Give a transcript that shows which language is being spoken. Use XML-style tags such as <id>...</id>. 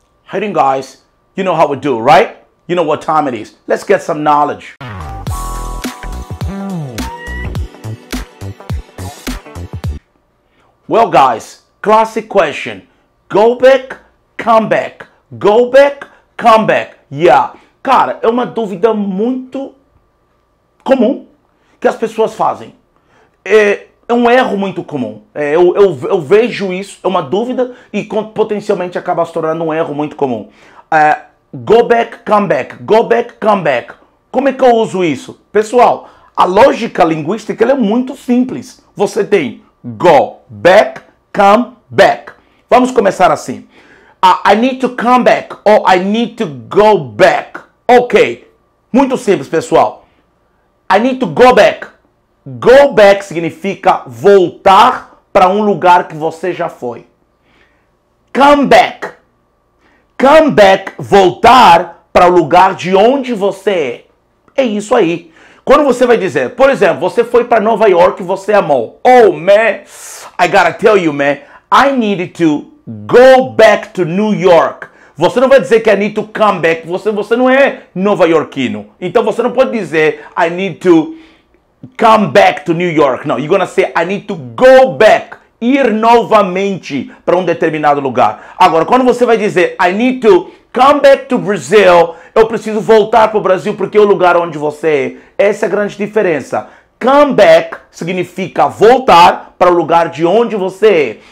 <en>Hey guys, you know how we do, right? You know what time it is. Let's get some knowledge. Well guys, classic question. Go back, come back. Go back, come back. Yeah.</en> <pt>Cara, é uma dúvida muito comum que as pessoas fazem. É um erro muito comum. Eu vejo isso, é uma dúvida e potencialmente acaba se tornando um erro muito comum.</pt> <en>Go back, come back. Go back, come back.</en> <pt>Como é que eu uso isso? Pessoal, a lógica linguística ela é muito simples. Você tem</pt> <en>go back, come back.</en> <pt>Vamos começar assim.</pt> <en>I need to come back or I need to go back. Ok.</en> <pt>Muito simples, pessoal.</pt> <en>I need to go back.</en> <pt>Go back significa voltar para um lugar que você já foi. Come back. Come back, voltar para o lugar de onde você é. É isso aí. Quando você vai dizer, por exemplo, você foi para Nova York e você amou.</pt> <en>Oh, man, I gotta tell you, man, I need to go back to New York.</en> <pt>Você não vai dizer que</pt> <en>I need to come back.</en> <pt>Você não é nova iorquino. Então você não pode dizer,</pt> <en>I need to come back to New York. Não, you're gonna say, I need to go back.</en> <pt>Ir novamente para um determinado lugar. Agora, quando você vai dizer,</pt> <en>I need to come back to Brazil.</en> <pt>Eu preciso voltar para o Brasil porque é o lugar onde você é. Essa é a grande diferença. Come back significa voltar para o lugar de onde você é.</pt>